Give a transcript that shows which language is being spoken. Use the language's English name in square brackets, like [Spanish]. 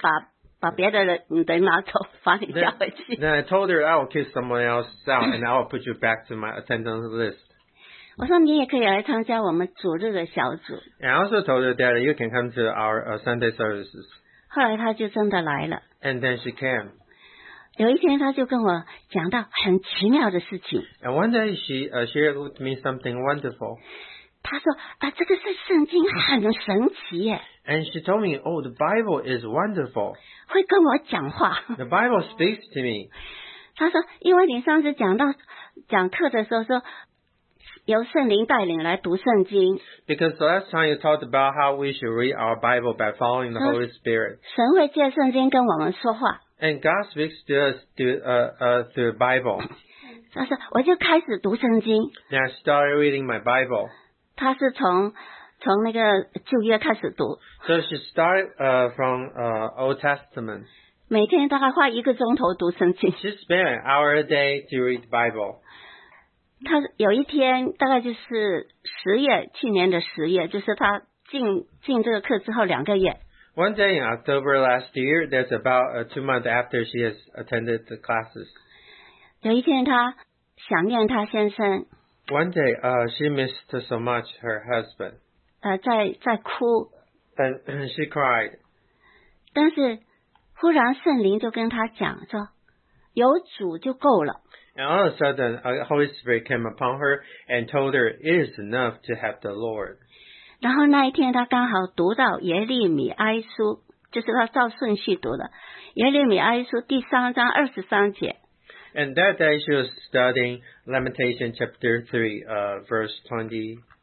[Chinese] 我说啊，我尽量把你的名加回去，把别的人的拿走，把你加回去。 [English] Then I told her I will kick someone else out, and I will put you back to my attendance list. [Chinese] 我说你也可以来参加我们主日的小组。 [English] And I also told her that you can come to our Sunday services. [Chinese] 后来他就真的来了。 [English] And then she came. [Chinese] 有一天他就跟我讲到很奇妙的事情。 [English] And one day she shared with me something wonderful. [Chinese] 他说这个是圣经很神奇耶。 [English] And she told me, oh, the Bible is wonderful. [Chinese] 会跟我讲话。 [English] The Bible speaks to me. [Chinese] 他说因为你上次讲课的时候说 由圣灵带领来读圣经。 [English] Because the last time you talked about how we should read our Bible by following the Holy Spirit. [Chinese] 神会借圣经跟我们说话。 [English] And God speaks to us through the Bible. [Chinese] 他说我就开始读圣经。 [English] Then I started reading my Bible. [Chinese] 他是从从那个旧约开始读。 [English] So she started from Old Testament. [Chinese] 每天大概花一个钟头读圣经。 [English] She spent an hour a day to read the Bible. [Chinese] 她有一天大概就是十月，去年的十月，就是她进这个课之后两个月。 [English] One day in October last year, that's about 2 months after she has attended the classes. [Chinese] 有一天她想念她先生。 [English] One day, she missed so much her husband. [Chinese] 在哭。 [English] And she cried. [Chinese] 但是忽然圣灵就跟她讲说，有主就够了。 [English] And all of a sudden, a Holy Spirit came upon her and told her, it is enough to have the Lord. [Chinese] 然后那一天她刚好读到耶利米哀书，就是她照顺序读的，耶利米哀书第三章二十三节。 [English] And that day she was studying Lamentation chapter 3, verse 23.